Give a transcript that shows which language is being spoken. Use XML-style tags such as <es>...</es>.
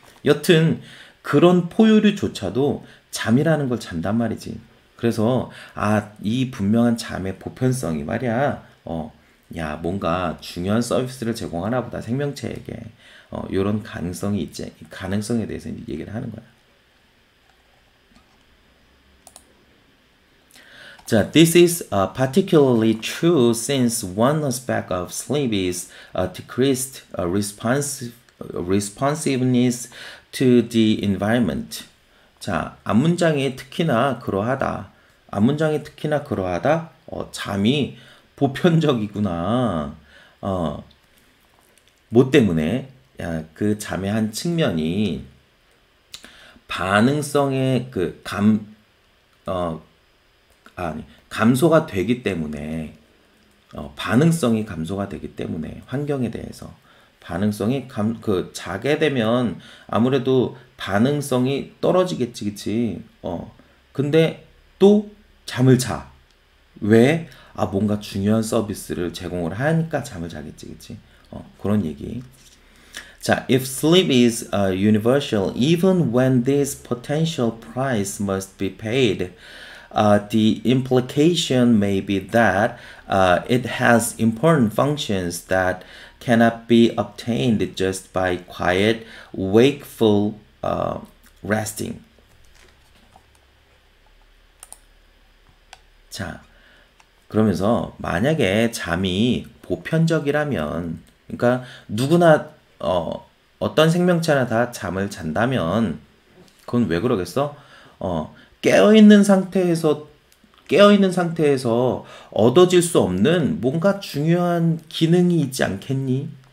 <ko>여튼, 그런 포유류조차도 잠이라는 걸 잔단 말이지. 그래서, 아, 이 분명한 잠의 보편성이 말이야, 야, 뭔가 중요한 서비스를 제공하나 보다, 생명체에게. 요런 가능성이 있지. 가능성에 대해서 이제 얘기를 하는 거야.</ko> <en>자, this is particularly true since one aspect of sleep is decreased responsiveness to the environment.</en> <ko>자, 앞문장에 특히나 그러하다. 앞문장에 특히나 그러하다. 잠이 보편적이구나. 뭐 때문에? 야, 그 잠의 한 측면이 반응성의 그 감, 어, 아니, 감소가 되기 때문에, 반응성이 감소가 되기 때문에, 환경에 대해서. 반응성이 자게 되면 아무래도 반응성이 떨어지겠지, 그치? 근데 또 잠을 자. 왜? 아, 뭔가 중요한 서비스를 제공을 하니까 잠을 자겠지, 그치? 그런 얘기.</ko> <en>자, if sleep is universal, even when this potential price must be paid, the implication may be that it has important functions that cannot be obtained just by quiet, wakeful resting.</en> <ko>자, 그러면서 만약에 잠이 보편적이라면, 그러니까 누구나 어떤 생명체나 다 잠을 잔다면, 그건 왜 그러겠어? 깨어있는 상태에서 얻어질 수 없는 뭔가 중요한 기능이 있지 않겠니?</ko>